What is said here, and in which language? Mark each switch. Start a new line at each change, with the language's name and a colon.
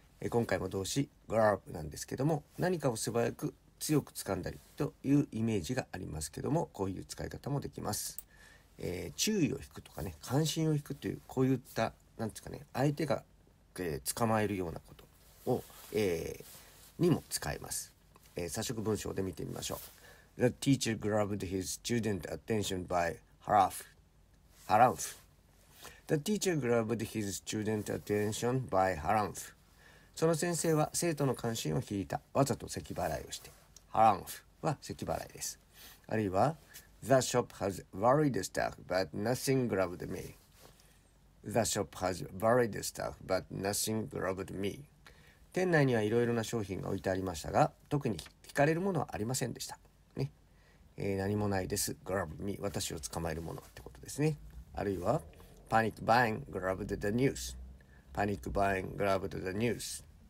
Japanese: 今回も動詞 grab なんですけども、何かを素早く強く掴んだりというイメージがありますけども、こういう使い方もできます。注意を引くとかね、関心を引くというこういったなんですかね、相手が、捕まえるようなことを、にも使えます。早速文章で見てみましょう。
English: The teacher grabbed his student attention by harumph. Harumph. The teacher grabbed his student attention by harumph.
Japanese: その先生は生徒の関心を引いた。わざと咳払いをして。Harumph は咳払いです。あるいは、
English: The shop has varied stuff, but nothing grabbed me. The shop has varied stuff, but nothing grabbed me.
Japanese: 店内にはいろいろな商品が置いてありましたが、特に惹かれるものはありませんでした。何もないです。
English: Grab me.
Japanese: 私を捕まえるものってことですね。あるいは、
English: Panic buying grabbed the news. Panic buying grabbed the news.